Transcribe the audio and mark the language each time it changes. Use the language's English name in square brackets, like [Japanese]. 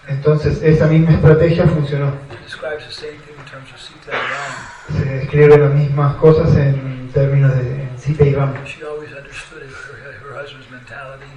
[Spanish] Entonces, esa misma estrategia funcionó. [English] Describes the same thing in terms of Sita and Ram. [Spanish] Se describe las mismas cosas en términos de Sita y Ram. [English] She always understood her husband's mentality.